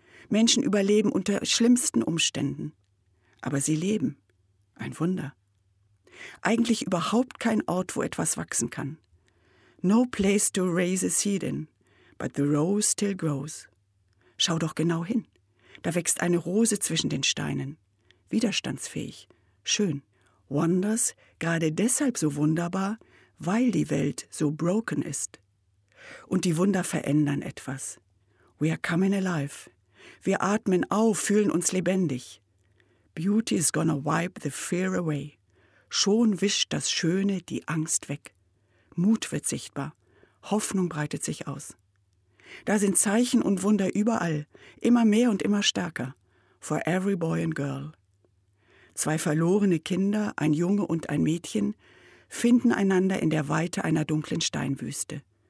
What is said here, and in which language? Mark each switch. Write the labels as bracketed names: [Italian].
[German] Menschen überleben unter schlimmsten Umständen. Aber sie leben. Ein Wunder. Eigentlich überhaupt kein Ort, wo etwas wachsen kann. [English] No place to raise a seed in, but the rose still grows. [German] Schau doch genau hin. Da wächst eine Rose zwischen den Steinen. Widerstandsfähig. Schön. Wonders, gerade deshalb so wunderbar, weil die Welt so broken ist. Und die Wunder verändern etwas. [English] We are coming alive. [German] Wir atmen auf, fühlen uns lebendig. [English] Beauty is gonna wipe the fear away. [German] Schon wischt das Schöne die Angst weg. Mut wird sichtbar. Hoffnung breitet sich aus. Da sind Zeichen und Wunder überall, immer mehr und immer stärker. [English] For every boy and girl. [German] 2 verlorene Kinder, ein Junge und ein Mädchen, finden einander in der Weite einer dunklen Steinwüste.